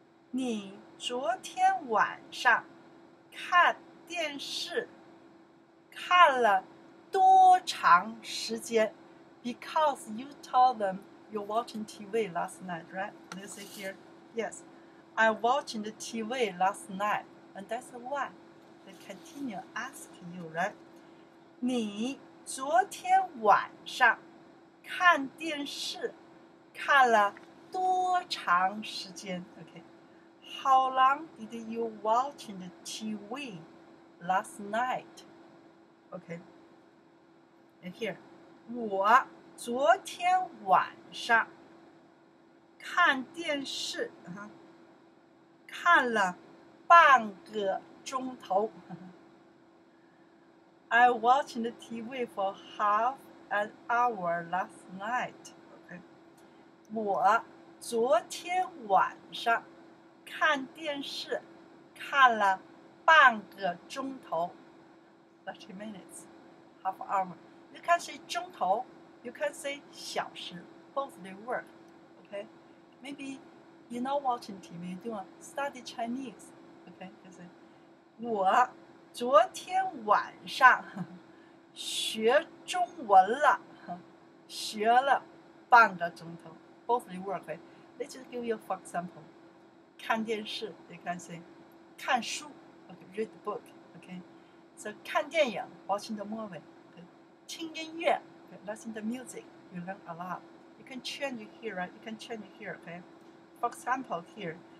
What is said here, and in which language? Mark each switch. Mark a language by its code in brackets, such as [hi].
[zh] 你昨天晚上看电视看了多长时间? [en] Because you told them you're watching TV last night, right? They say here, yes. I watched the TV last night. And that's why they continue asking you, right? [zh] 你昨天晚上看电视看了多长时间? [en] Okay. How long did you watch the TV last night? Okay. And here. [zh] 我昨天晚上看电视、看了半个钟头。 [en] I watched the TV for half an hour last night. Okay. [zh] 我昨天晚上看电视看了半个钟头。 [en] 30 minutes. Half hour. You can say 钟头, you can say 小时, both they work. Okay. Maybe you're not watching TV, you don't study Chinese. Okay. You say, [zh] 我昨天晚上学中文了，学了半个钟头。 [en] Both they work. Let's just give you a for example. 看电视 you can say, 看书 okay, read the book. Okay. So 看电影 watching the movie. Okay. [zh] 听音乐 [en] okay, listen to music. You learn a lot. You can change it here, right? You can change it here. Okay. For example, here,